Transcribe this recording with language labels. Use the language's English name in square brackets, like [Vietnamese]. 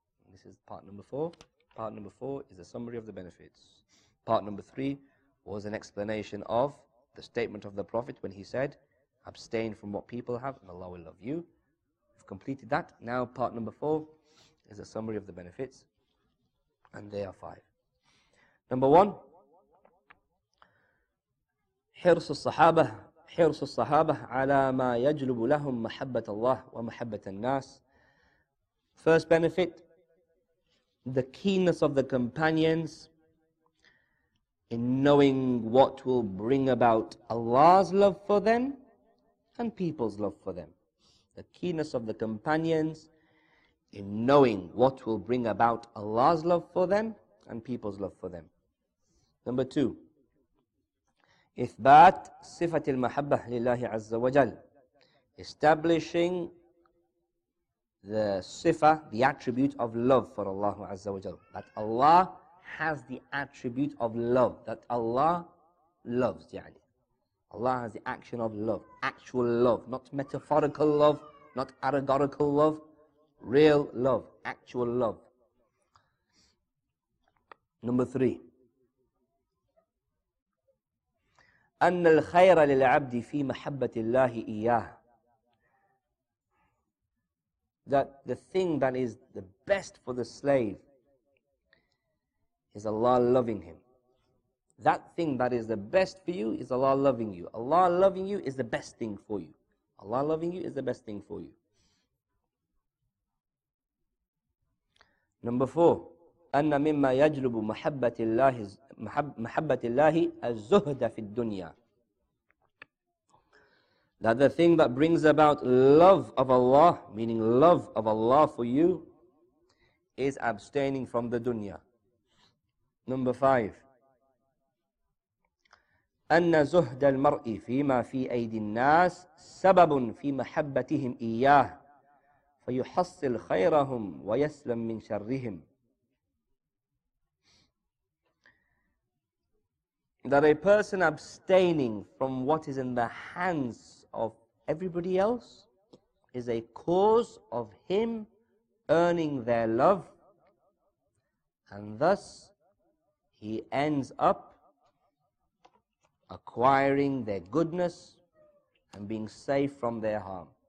[English] This is part number 4. Part number 4 is a summary of the benefits. Part number 3 was an explanation of the statement of the Prophet when he said, abstain from what people have and Allah will love you. We've completed that. Now part number 4 is a summary of the benefits. And they are 5. Number 1, [Arabic] حرص الصحابة حرص الصحابة على ما يجلب لهم محبة الله ومحبة الناس. [English] First benefit, the keenness of the companions in knowing what will bring about Allah's love for them and people's love for them. The keenness of the companions in knowing what will bring about Allah's love for them and people's love for them. Number 2, [Arabic] إثبات صفة المحبة لله عز وجل. [English] Establishing the sifa, the attribute of love for Allah عز وجل. That Allah has the attribute of love. That Allah loves. Allah has the action of love. Actual love. Not metaphorical love. Not allegorical love. Real love. Actual love. Number 3. [Arabic] أن الخير للعبد في محبة الله إياه. [English] That the thing that is the best for the slave is Allah loving him. That thing that is the best for you is Allah loving you. Allah loving you is the best thing for you. Allah loving you is the best thing for you. Number 4. [Arabic] أن مما يجلب محبة الله الزهد في الدنيا. [English] That the thing that brings about love of Allah, meaning love of Allah for you, is abstaining from the dunya. Number 5. [Arabic] أن زهد المرء فيما في أيدي الناس سبب في محبتهم إياه فيحصل خيرهم ويسلم من شرهم. [English] That a person abstaining from what is in the hands of everybody else is a cause of him earning their love, and thus he ends up acquiring their goodness and being safe from their harm.